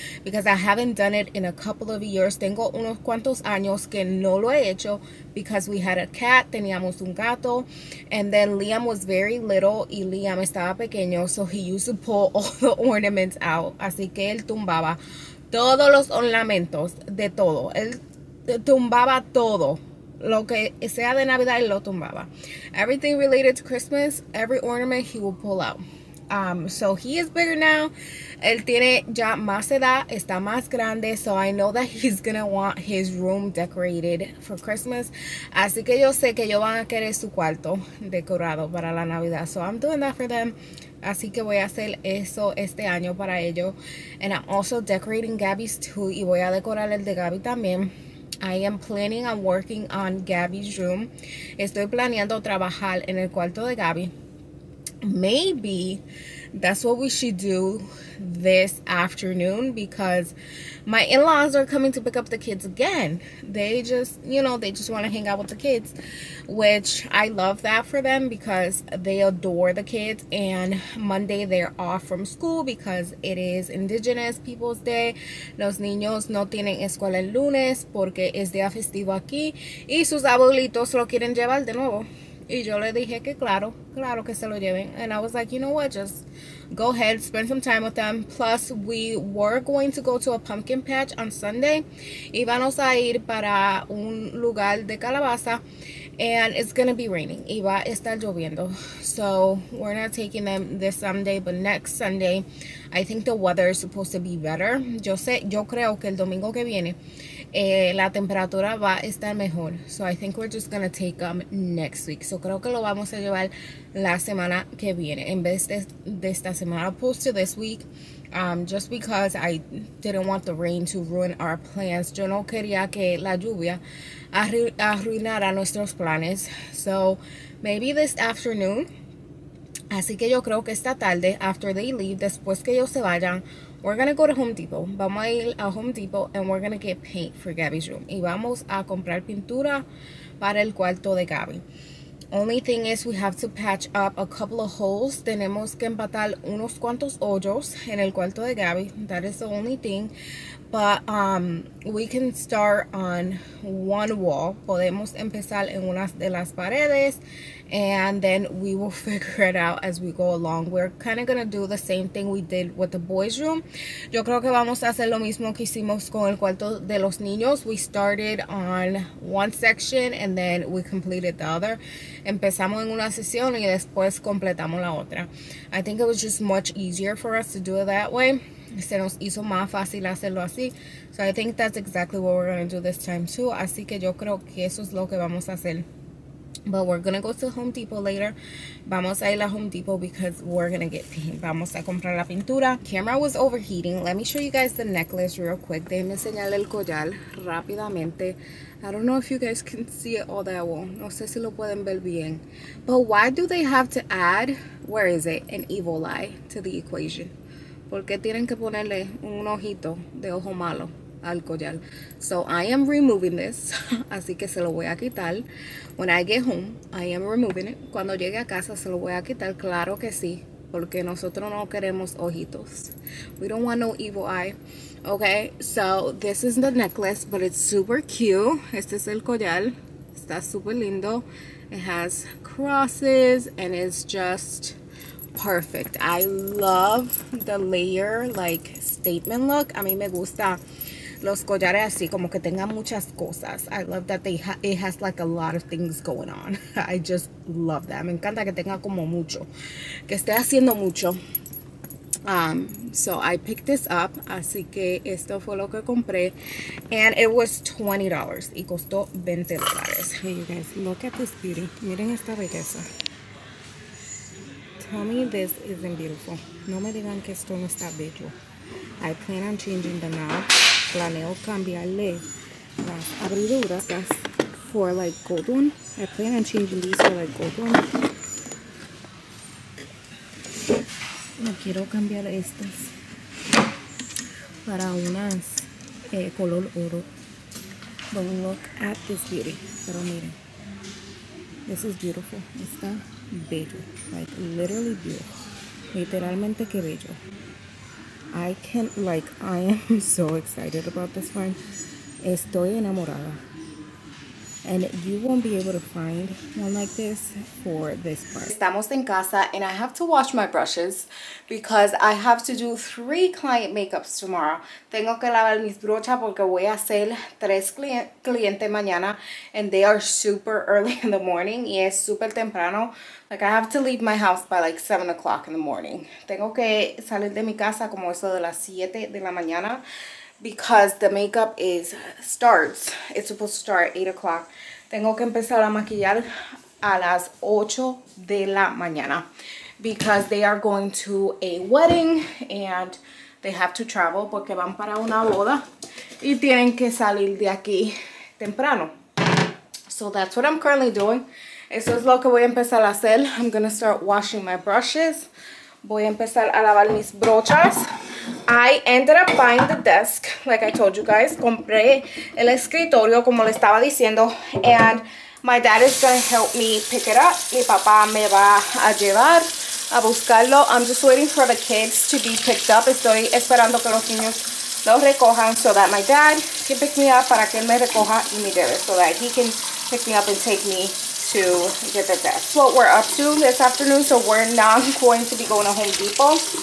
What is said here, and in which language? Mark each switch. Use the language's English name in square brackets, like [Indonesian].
[English] Because I haven't done it in a couple of years. [Spanish] Tengo unos cuantos años que no lo he hecho. [English] Because we had a cat, [Spanish] teníamos un gato. [English] And then Liam was very little [Spanish] y Liam estaba pequeño. [English] So he used to pull all the ornaments out. [Spanish] Así que él tumbaba todos los ornamentos de todo. Él tumbaba todo. Lo que sea de Navidad, él lo tumbaba. [English] Everything related to Christmas, every ornament he will pull out. So he is bigger now. [Spanish] Él tiene ya más edad, está más grande. So I know that he's gonna want his room decorated for Christmas. Así que yo sé que ellos van a querer su cuarto decorado para la Navidad. [English] So I'm doing that for them. [Spanish] Así que voy a hacer eso este año para ellos. [English] And I'm also decorating Gabby's too. [Spanish] Y voy a decorar el de Gabby también. [English] I am planning on working on Gabby's room. [Spanish] Estoy planeando trabajar en el cuarto de Gabby. [English] Maybe that's what we should do this afternoon because my in-laws are coming to pick up the kids again. They just want to hang out with the kids, which I love that for them because they adore the kids. And Monday they're off from school because it is Indigenous People's Day. [Spanish] Los niños no tienen escuela el lunes porque es día festivo aquí y sus abuelitos lo quieren llevar de nuevo. Y yo le dije que claro, claro que se lo lleven. [English] And I was like, you know what, just go ahead, spend some time with them. Plus, we were going to go to a pumpkin patch on Sunday. [Spanish] Íbamos a ir para un lugar de calabaza. [English] And it's going to be raining. [Spanish] Iba a estar lloviendo. [English] So, we're not taking them this Sunday, but next Sunday, I think the weather is supposed to be better. [Spanish] Yo creo que el domingo que viene, la temperatura va a estar mejor. [English] So, I think we're just going to take them next week. So, [Spanish] creo que lo vamos a llevar la semana que viene en vez de esta semana, [English] opposed to this week. Just because I didn't want the rain to ruin our plans. [Spanish] Yo no quería que la lluvia arruinara nuestros planes. [English] So, maybe this afternoon. [Spanish] Así que yo creo que esta tarde, [English] after they leave, [Spanish] después que ellos se vayan, [English] we're going to go to Home Depot. [Spanish] Vamos a ir a Home Depot [English] and we're going to get paint for Gabby's room. [Spanish] Y vamos a comprar pintura para el cuarto de Gabby. [English] Only thing is we have to patch up a couple of holes. [Spanish] Tenemos que empatar unos cuantos hoyos en el cuarto de Gabby. [English] That is the only thing. But we can start on one wall. [Spanish] Podemos empezar en una de las paredes [English] and then we will figure it out as we go along. We're kind of going to do the same thing we did with the boys' room. [Spanish] Yo creo que vamos a hacer lo mismo que hicimos con el cuarto de los niños. [English] We started on one section and then we completed the other. [Spanish] Empezamos en una sesión y después completamos la otra. [English] I think it was just much easier for us to do it that way. [Spanish] Se nos hizo más fácil hacerlo así. [English] So I think that's exactly what we're going to do this time too. [Spanish] Así que yo creo que eso es lo que vamos a hacer. [English] But we're going to go to Home Depot later. [Spanish] Vamos a ir a Home Depot [English] because we're going to get paint. [Spanish] Vamos a comprar la pintura. [English] Camera was overheating. Let me show you guys the necklace real quick. [Spanish] Déjenme enseñar el collar rápidamente. [English] I don't know if you guys can see it all that well. [Spanish] No sé si lo pueden ver bien. [English] But why do they have to add, where is it, an evil eye to the equation? [Spanish] ¿Por qué tienen que ponerle un ojito de ojo malo al collar? [English] So I am removing this. [Spanish] Así que se lo voy a quitar. [English] When I get home, I am removing it. [Spanish] Cuando llegue a casa, se lo voy a quitar. Claro que sí. Porque nosotros no queremos ojitos. [English] We don't want no evil eye. Okay, so this is the necklace, but it's super cute. [Spanish] Este es el collar. Está super lindo. [English] It has crosses and it's just perfect. I love the layer, like, statement look. [Spanish] A mí me gusta los collares así, como que tengan muchas cosas. [English] I love that they it has like a lot of things going on. I just love that. [Spanish] Me encanta que tenga como mucho, que esté haciendo mucho. [English] So I picked this up, [Spanish] así que esto fue lo que compré, [English] and it was $20 [Spanish] y costó $20. [English] Hey, you guys, look at this beauty. [Spanish] Miren esta belleza. [English] Tell me this isn't beautiful. [Spanish] No me digan que esto no está bello. [English] I plan on changing the knob. [Spanish] Planeo cambiarle las abriduras [English] for like gold one. I plan on changing these for like gold one. [Spanish] No quiero cambiar estas para unas color oro. [English] But look at this beauty. [Spanish] Pero miren. [English] This is beautiful. [Spanish] Está bello. [English] Like, literally beautiful. [Spanish] Literalmente que bello. [English] I can't, like, I am so excited about this one. [Spanish] Estoy enamorada. [English] And you won't be able to find one like this for this part. [Spanish] Estamos en casa [English] and I have to wash my brushes because I have to do 3 client makeups tomorrow. [Spanish] Tengo que lavar mis brochas porque voy a hacer 3 clientes mañana [English] and they are super early in the morning [Spanish] y es super temprano. [English] Like, I have to leave my house by like 7 o'clock in the morning. [Spanish] Tengo que salir de mi casa como eso de las 7 de la mañana. [English] Because the makeup starts, it's supposed to start at 8 o'clock. [Spanish] Tengo que empezar a maquillar a las 8 de la mañana. [English] Because they are going to a wedding and they have to travel [Spanish] porque van para una boda. Y tienen que salir de aquí temprano. [English] So that's what I'm currently doing. [Spanish] Eso es lo que voy a empezar a hacer. [English] I'm going to start washing my brushes. [Spanish] Voy a empezar a lavar mis brochas. [English] I ended up buying the desk, like I told you guys. [Spanish] Compré el escritorio, como le estaba diciendo. [English] And my dad is going to help me pick it up. [Spanish] Mi papá me va a llevar a buscarlo. [English] I'm just waiting for the kids to be picked up. [Spanish] Estoy esperando que los niños lo recojan [English] so that my dad can pick me up, [Spanish] para que él me recoja y me lleve. [English] So that he can pick me up and take me to get the desk. What we're up to this afternoon, so we're not going to be going to Home Depot.